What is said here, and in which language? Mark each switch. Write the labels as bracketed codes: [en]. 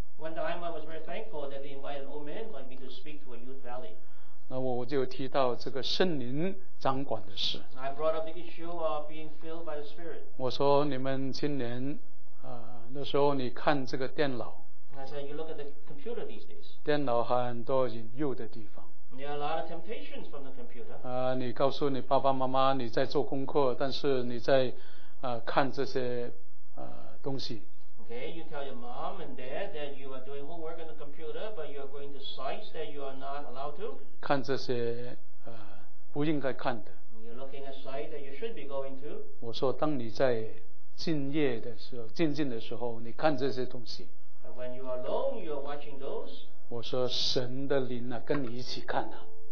[en] One time I was very thankful that they invited an old man like me to speak to a youth valley [zh] 那我就提到这个圣灵掌管的事 [en] I brought up the issue of being filled by the spirit [zh] 我说你们青年那时候你看这个电脑 [en] I said you look at the computer these days [zh] 电脑很多引诱的地方 [en] There are a lot of temptations from the computer. [zh] 你告诉你爸爸妈妈你在做功课，但是你在看这些东西。 [en] Okay, you tell your mom and dad that you are doing homework on the computer, but you are going to sites that you are not allowed to. [zh] 看这些不应该看的。 [en] You're looking at sites that you should be going to. [zh] 我说，当你在静夜的时候，静静的时候，你看这些东西。 [en] But when you are alone, you are watching those. [zh] 我说神的灵啊跟你一起看啊